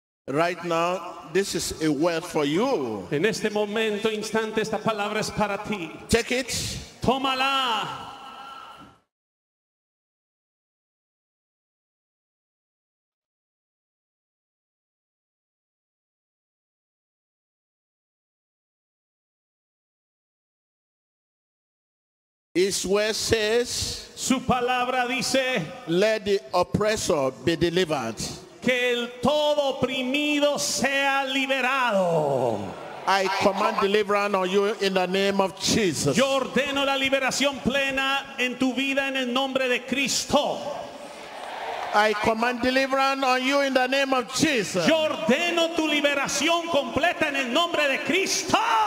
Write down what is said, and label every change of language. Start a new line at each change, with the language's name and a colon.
English: Right now, this is a word for you.
Spanish: En este momento, instante, esta palabra es para ti.
English: Take it.
Spanish: Tómala.
English: His word says,
Spanish: su palabra dice,
English: let the oppressor be delivered.
Spanish: Que el todo oprimido sea liberado.
English: I command deliverance on you in the name of Jesus.
Spanish: Yo ordeno la liberación plena en tu vida en el nombre de Cristo.
English: I command deliverance on you in the name of Jesus.
Spanish: Yo ordeno tu liberación completa en el nombre de Cristo.